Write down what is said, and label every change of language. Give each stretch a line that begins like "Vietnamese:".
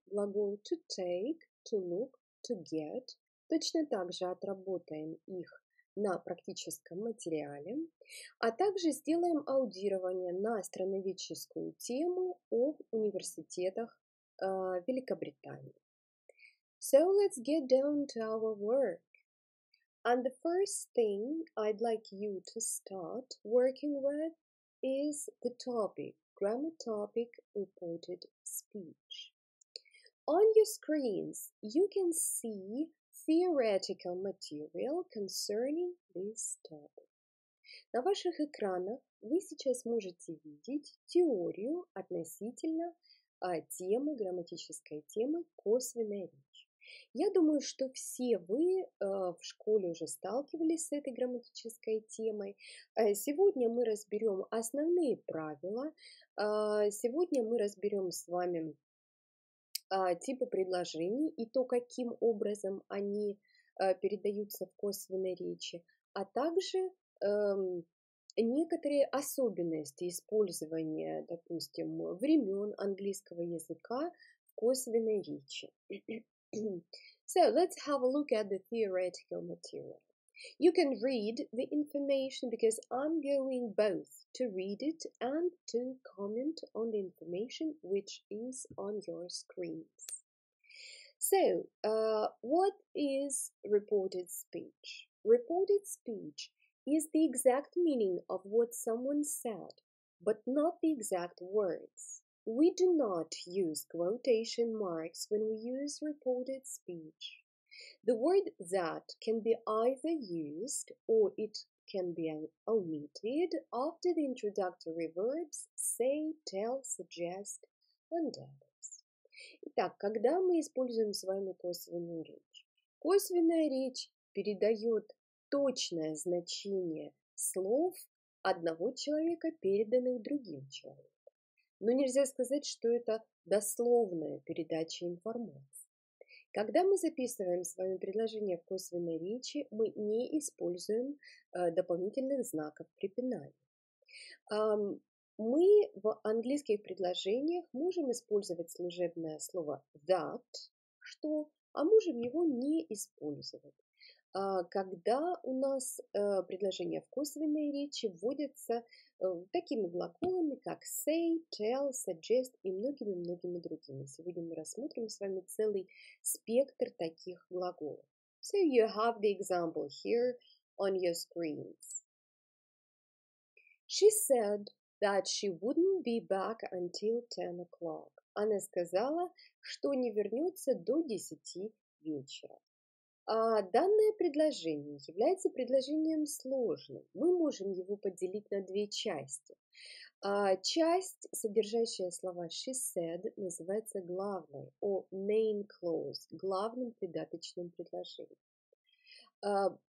English: Глагол to take, to look, to get.
Russian: Точно так же отработаем их на практическом материале. А также сделаем аудирование на страноведческую тему о университетах Великобритании.
English: So let's get down to our work. And the first thing I'd like you to start working with is the topic, grammar topic, reported speech. On your screens, you can see theoretical material concerning this topic.
Russian: На ваших экранах вы сейчас можете видеть теорию относительно темы, грамматической темы «Косвенная речь». Я думаю, что все вы в школе уже сталкивались с этой грамматической темой. Сегодня мы разберем основные правила. Сегодня мы разберем с вами типы предложений и то, каким образом они передаются в косвенной речи, а также некоторые особенности использования, допустим, времен английского языка в косвенной речи.
English: So, let's have a look at the theoretical material. You can read the information because I'm going both to read it and to comment on the information which is on your screens. So, what is reported speech? Reported speech is the exact meaning of what someone said, but not the exact words. We do not use quotation marks when we use reported speech. The word that can be either used or it can be omitted after the introductory verbs say, tell, suggest, and others.
Russian: Итак, когда мы используем с вами косвенную речь? Косвенная речь передает точное значение слов одного человека, переданных другим человеком. Но нельзя сказать, что это дословная передача информации. Когда мы записываем с вами предложение в косвенной речи, мы не используем дополнительных знаков препинания. Мы в английских предложениях можем использовать служебное слово that, что, а можем его не использовать. Когда у нас предложения в косвенной речи вводятся такими глаголами, как say, tell, suggest и многими-многими другими. Сегодня мы рассмотрим с вами целый спектр таких глаголов.
English: So you have the example here on your screens. She said that she wouldn't be back until 10 o'clock.
Russian: Она сказала, что не вернется до 10 вечера. Данное предложение является предложением сложным. Мы можем его поделить на две части. Часть, содержащая слова
English: she said,
Russian: называется главной,
English: or main clause,
Russian: главным придаточным предложением.